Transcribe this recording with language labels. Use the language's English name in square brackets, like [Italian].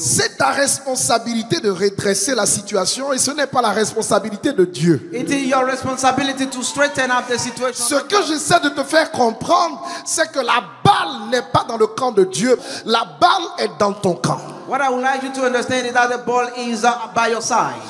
[French] c'est ta responsabilité de redresser la situation et ce n'est pas la responsabilité de Dieu. [English] It is your responsibility to straighten up the situation. [French] Ce que j'essaie de te faire comprendre, c'est que la balle n'est pas dans le camp de Dieu, la balle est dans ton camp. [English] What I would like you to understand is that the ball is by your side.